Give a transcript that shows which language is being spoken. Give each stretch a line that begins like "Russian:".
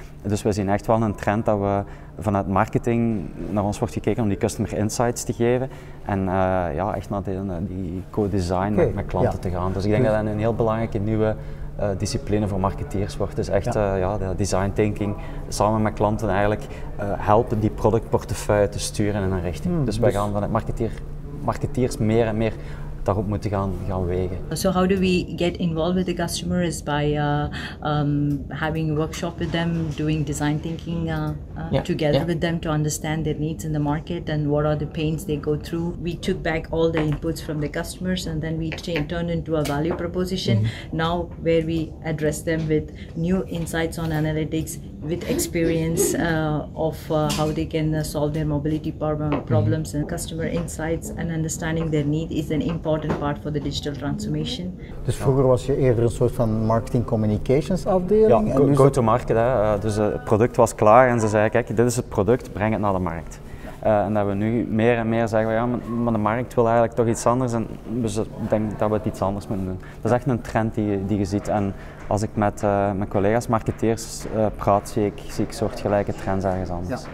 Dutch: Dus we zien echt wel een trend dat we vanuit marketing naar ons wordt gekeken om die customer insights te geven en echt naar die co-design met klanten te gaan. Dus ik denk dat dat een heel belangrijke nieuwe discipline voor marketeers wordt. Dus echt design thinking, samen met klanten eigenlijk helpen die productportefeuille te sturen in een richting. Dus wij gaan vanuit marketeers meer en meer daarop moeten gaan wegen.
English: So how do we get involved with the customers? By having a workshop with them, doing design thinking together with them to understand their needs in the market and what are the pains they go through. We took back all the inputs from the customers and then we turned into a value proposition. Mm-hmm. Now where we address them with new insights on analytics, with experience how they can solve their mobility problems and customer insights and understanding their need is an important part for the digital transformation.
Dutch: Dus vroeger was je eerder een soort van marketing communications afdeling? Ja, go-to-market. Dus het product was klaar en ze zeiden, kijk, dit is het product, breng het naar de markt. En dat we nu meer en meer zeggen, maar de markt wil eigenlijk toch iets anders en dus ik denk dat we het iets anders moeten doen. Dat is echt een trend die je ziet en als ik met mijn collega's marketeers praat, zie ik soortgelijke trends ergens anders. Ja.